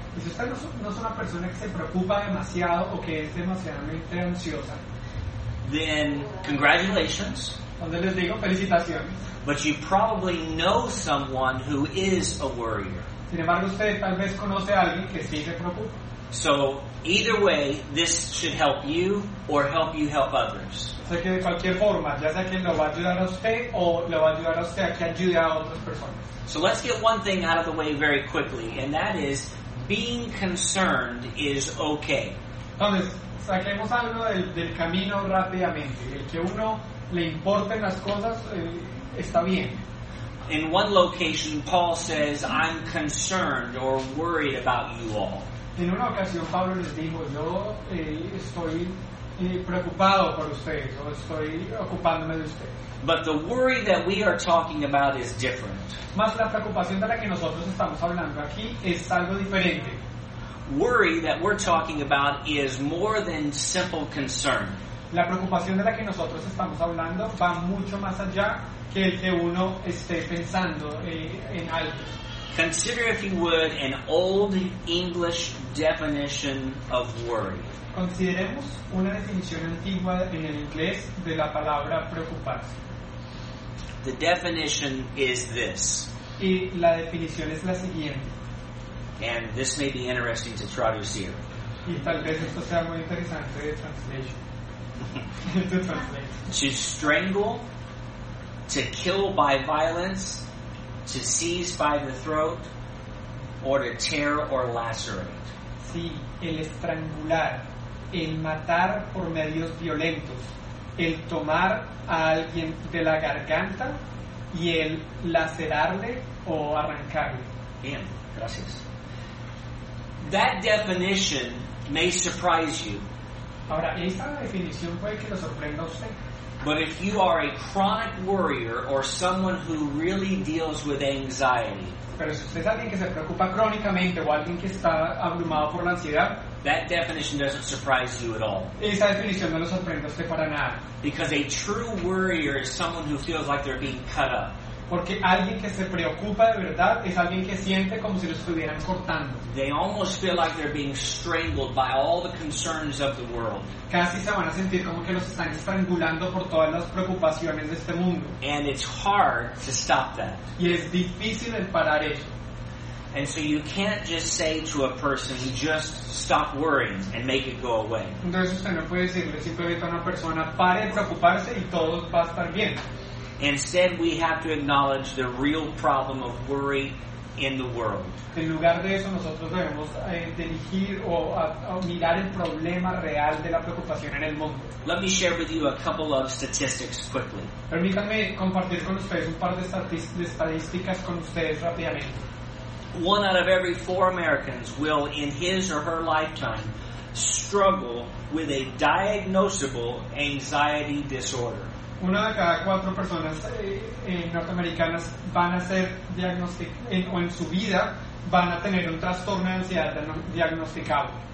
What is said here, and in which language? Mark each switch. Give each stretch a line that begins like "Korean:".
Spanish: y si usted no es una persona que se preocupa demasiado o que es demasiadamente ansiosa,
English: then congratulations.
Spanish: Donde les digo felicitaciones.
English: But you probably know someone who is a worrier.
Spanish: Sin embargo, usted tal vez conoce a alguien que sí se preocupa.
English: So either way, this should help you or help you help others.
Spanish: O sea que de cualquier forma, ya sea que lo va a ayudar a usted o le va a ayudar a usted a que ayude a otras personas.
English: So let's get one thing out of the way very quickly, and that is, being concerned is okay.
Spanish: Entonces, saquemos algo del camino rápidamente. El que uno le importen las cosas, está bien.
English: In one location, Paul says, I'm concerned or worried about you all.
Spanish: En una ocasión Pablo les dijo, yo estoy preocupado por ustedes, o estoy ocupándome de ustedes.
English: But the worry that we are talking about is different.
Spanish: Mas la preocupación de la que nosotros estamos hablando aquí es algo diferente.
English: Worry that we're talking about is more than simple concern.
Spanish: La preocupación de la que nosotros estamos hablando va mucho más allá que el que uno esté pensando en algo.
English: Consider, if you would, an old English definition of worry.
Spanish: Consideremos una definición antigua en el inglés de la palabra preocuparse.
English: The definition is this.
Spanish: Y la definición es la siguiente.
English: And this may be interesting to
Spanish: traducir. Y tal vez esto sea muy interesante de
English: translation. To translate. To strangle, to kill by violence, to seize by the throat, or to tear or lacerate.
Spanish: Sí, el estrangular, el matar por medios violentos, el tomar a alguien de la garganta y el lacerarle o arrancarle. Bien, gracias.
English: That definition may surprise you.
Spanish: Ahora, esta definición puede que lo sorprenda a usted.
English: But if you are a chronic worrier or someone who really deals with anxiety,
Spanish: pero si usted es alguien que se preocupa crónicamente o alguien que está abrumado por la ansiedad,
English: that definition doesn't surprise you at all.
Spanish: Esa definición no lo sorprende a usted para nada.
English: Because a true worrier is someone who feels like they're being cut up.
Spanish: Porque alguien que se preocupa de verdad es alguien que siente como si lo estuvieran cortando.
English: They almost feel like they're being strangled by all the concerns of the world.
Spanish: Casi se van a sentir como que los están estrangulando por todas las preocupaciones de este mundo.
English: And it's hard to stop that.
Spanish: Y es difícil el parar eso.
English: And so you can't just say to a person, just stop worrying and make it go away.
Spanish: Entonces usted no puede decirle simplemente a una persona, pare de preocuparse y todo va a estar bien.
English: Instead, we have to acknowledge the real problem of worry in the world.
Spanish: En lugar de eso, nosotros debemos dirigir o mirar el problema real de la preocupación en el mundo.
English: Let me share with you a couple of statistics quickly.
Spanish: Permítanme compartir con ustedes un par de estadísticas con ustedes rápidamente.
English: One out of every four Americans will, in his or her lifetime, struggle with a diagnosable anxiety disorder.
Spanish: Una de cada cuatro personas norteamericanas van a ser diagnosticadas, o en su vida van a tener un trastorno de ansiedad diagnosticado.